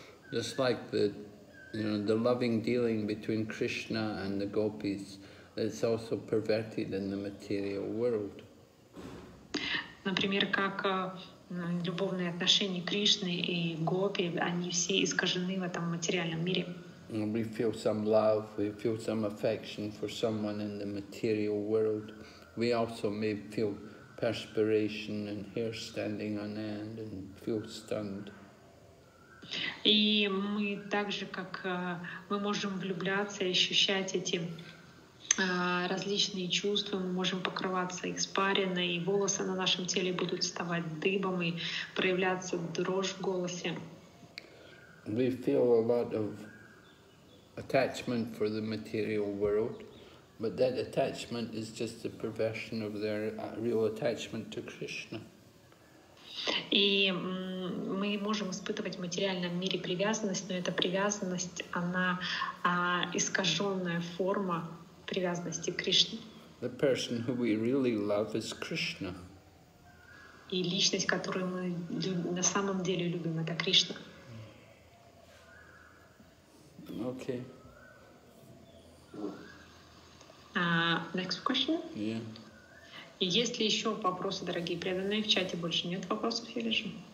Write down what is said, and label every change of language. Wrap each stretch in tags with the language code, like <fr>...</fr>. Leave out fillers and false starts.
<en>Just like the, you know, the loving dealing between Krishna and the gopis, it's also perverted in the material world.</en> <ru>Например, как любовные отношения Кришны и гопи, они все искажены в этом материальном мире.</ru> <en>We feel some love, we feel some affection for someone in the material world. We also may feel perspiration and hair standing on end and feel stunned.</en> <ru>И мы также, как мы можем влюбляться и ощущать эти различные чувства, мы можем покрываться испариной, и волосы на нашем теле будут вставать дыбом и проявляться дрожь в голосе.</ru> <en>We feel a lot of attachment for the material world, but that attachment is just the perversion of their real attachment to Krishna.</en> <ru>И мы можем испытывать в материальном мире привязанность, но эта привязанность, она искаженная форма привязанности к Кришне.</ru> <en>The person who we really love is Krishna.</en> <ru>И личность, которую мы на самом деле любим, это Кришна.</ru> <en>Okay. Next question. Yeah.</en> <ru>Есть ли еще вопросы, дорогие преданные? В чате больше нет вопросов, я вижу.</ru>